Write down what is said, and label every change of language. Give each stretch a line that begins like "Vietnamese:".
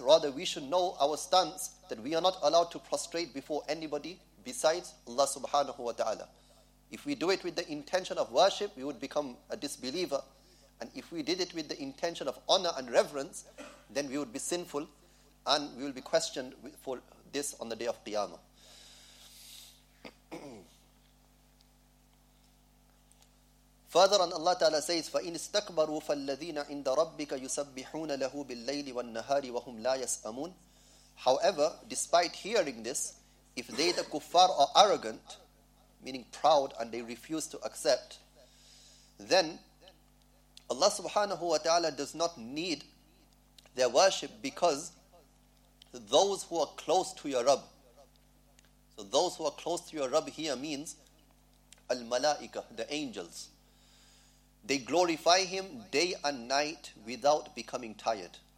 English: Rather, we should know our stance that we are not allowed to prostrate before anybody besides Allah subhanahu wa ta'ala. If we do it with the intention of worship, we would become a disbeliever. And if we did it with the intention of honor and reverence, then we would be sinful and we will be questioned for this on the day of Qiyamah. Further on, Allah Ta'ala says,
Arabic: فَإِنِ اسْتَكْبَرُوا فَالَّذِينَ عِنْدَ رَبِّكَ يُسَبِّحُونَ لَهُ بِاللَّيْلِ وَالنَّهَارِ وَهُمْ لَا يَسْأَمُونَ.
English: However, despite hearing this, if they, the kuffar, are arrogant, meaning proud, and they refuse to accept, then Allah subhanahu wa ta'ala does not need their worship, because those who are close to your Rabb, so those who are close to your Rabb here means al-malaika, the angels, they glorify him day and night without becoming tired.